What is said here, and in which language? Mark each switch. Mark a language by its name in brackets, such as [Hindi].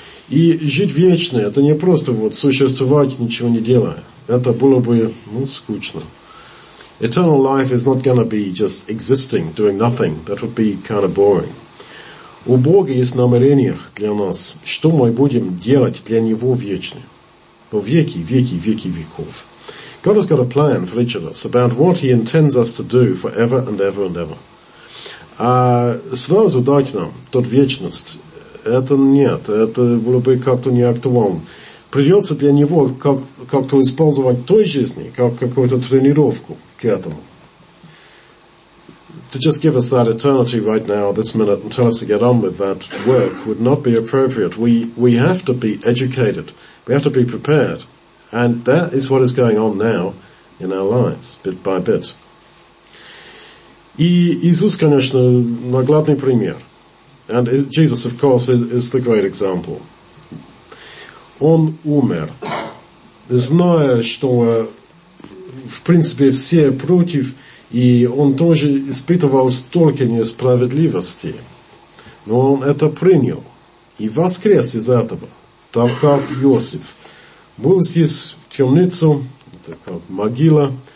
[Russian] И жить вечно, это не просто вот существовать, ничего не делая. Это было бы, ну, скучно. [English] Eternal life is not going to be just existing, doing nothing. That would be kind of boring. [Russian] У Бога есть намерения для нас, что мы будем делать для Него вечно. Во веки, веки, веки веков. [English] God has got a plan for each of us about what He intends us to do forever and ever and ever. [Russian] А сразу дать нам тот вечность, это нет, это было бы как-то не актуально. Придется для него как-то использовать той жизни, как какую-то тренировку к этому. [English] To just give us that eternity right now, this minute, and tell us to get on with that work would not be appropriate. We have to be educated. We have to be prepared. And that is what is going on now in our lives, bit by bit. [Russian] И Иисус, конечно, наглядный пример. [English] And Jesus, of course, is the great example. [Russian] Он умер, зная, что в принципе все против, и он тоже испытывал столько несправедливости. Но он это принял и воскрес из этого, так как Иосиф был здесь в темницу, это как могила,